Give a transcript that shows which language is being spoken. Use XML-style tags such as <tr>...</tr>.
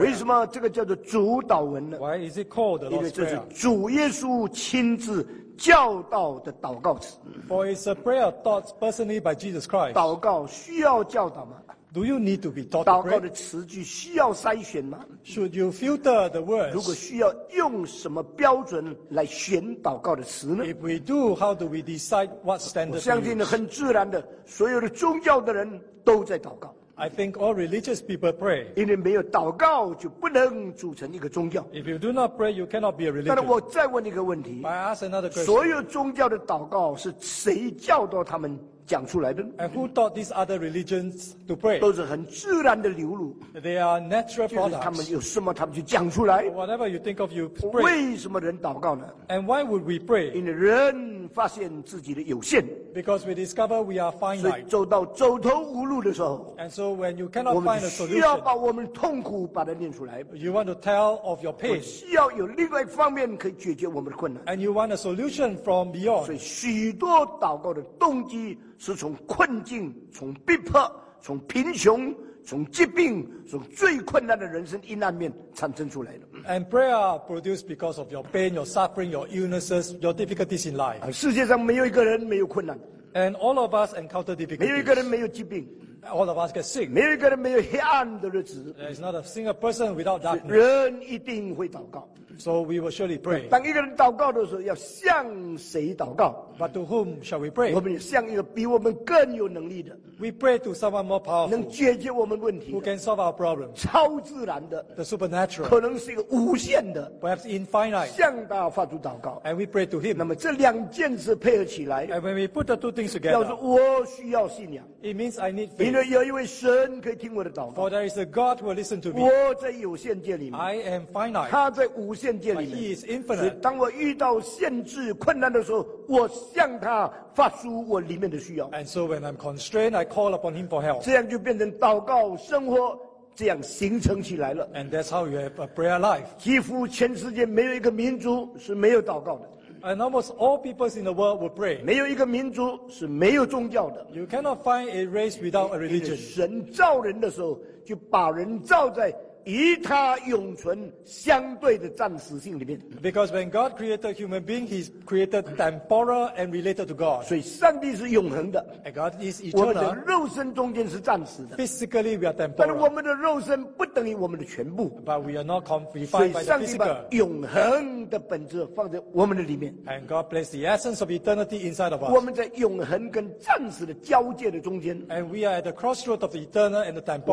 <zh>为什么这个叫做主导文呢</zh> <en>？Why is it called the Lord's Prayer?</en> <zh>因为这是主耶稣亲自教导的祷告词。</zh> <en>For it's a prayer taught personally by Jesus Christ.</en> <zh>祷告需要教导吗</zh> <en>？Do you need to be taught?</en> <zh>祷告的词句需要筛选吗</zh> <en>？Should you filter the words?</en> <zh>如果需要用什么标准来选祷告的词呢</zh> <en>？If we do, how do we decide what standard?</en> <zh>我相信很自然的，所有的宗教的人都在祷告。</zh> <en>I think all religious people pray.</en> <zh>因为没有祷告，就不能组成一个宗教。</zh> <en>If you do not pray, you cannot be a religion.</en> <zh>但是我再问一个问题。</zh> <en>I ask another</en> <zh>question. 所有宗教的祷告是谁教导他们讲出来的</zh> <en>？And who taught these other religions to pray?</en> <zh>都是很自然的流露。</zh> <en>They are natural products.</en> <zh>就是他们有什么，他们就讲出来。</zh> <en>Whatever you think of, you pray.</en> <zh>为什么人祷告呢</zh> <en>？And why would we pray?</en> <zh>因为人发现自己的有限。</zh> <en>Because we discover we are finite.</en> <zh>所以走到走投无路的时候</zh> <en>，And so when you cannot find a solution,</en> <zh>我们需要把我们痛苦把它念出来。</zh> <en>You want to tell of your pain.</en> <zh>需要有另外一方面可以解决我们的困难。</zh> <en>And you want a solution from beyond.</en> <zh>所以许多祷告的动机是从困境、从逼迫、从贫穷、从疾病、从最困难的人生阴暗面产生出来的。</zh> <en>And prayer produced because of your pain, your suffering, your illnesses, your difficulties in life.</en> <zh>世界上没有一个人没有困难。</zh> <en>And all of us encounter difficulties.</en> <zh>没有一个人没有疾病。</zh> <en>All of us get sick.</en> <zh>没有一个人没有黑暗的日子。</zh> <en>There is not a single person without darkness.</en> <zh>人一定会祷告。</zh> <en>So we will surely pray.</en> <zh>当一个人祷告的时候，要向谁祷告</zh> <en>？But to whom shall we pray?</en> <zh>我们向一个比我们更有能力的。</zh> <en>We pray to someone more powerful.</en> <zh>能解决我们问题。</zh> <en>Who can solve our problem?</en> <zh>超自然的。</zh> <en>The supernatural.</en> <zh>可能是一个无限的。</zh> <en>Perhaps infinite.</en> <zh>向他发出祷告。</zh> <en>And we pray to him.</en> <zh>那么这两件事配合起来。</zh> <en>And when we put the two things together.</en> <zh>要是我需要信仰。</zh> <en>It means I need faith.</en> <zh>因为有一位神可以听我的祷告。</zh> <en>For there is a God who will listen to me.</en> <zh>我在有限界里面。</zh> <en>I am finite.</en> <zh>他在无限。</zh> <en>But he is infinite.</en> <zh>所以当我遇到限制困难的时候，我向他发出我里面的需要。</zh> <en>And so when I'm constrained, I call upon him for help.</en> <zh>这样就变成祷告生活，这样形成起来了。</zh> <en>And that's how you have a prayer life.</en> <zh>几乎全世界没有一个民族是没有祷告的。</zh> <en>And almost all peoples in the world will pray.</en> <zh>没有一个民族是没有宗教的。</zh> <en>You cannot find a race without a religion.</en> <zh>因为神造人的时候，就把人造在与他永存相对的暂时性里面。</zh> <en>Because when God created human being, He created temporal and related to God.</en> <zh>所以上帝是永恒的。</zh> <en>And God is eternal.</en> <zh>我们的肉身中间是暂时的。</zh> <en>Physically, we are temporal.</en> <zh>但我们的肉身不等于我们的全部。</zh> <en>But we are not confined by the physical.</en> <zh>所以上帝把永恒的本质放在我们的里面。</zh> <en>And God placed the essence of eternity inside of us.</en> <zh>我们在永恒跟暂时的交界的中间。</zh> <en>And we are at the crossroad of the eternal and the temporal.</en>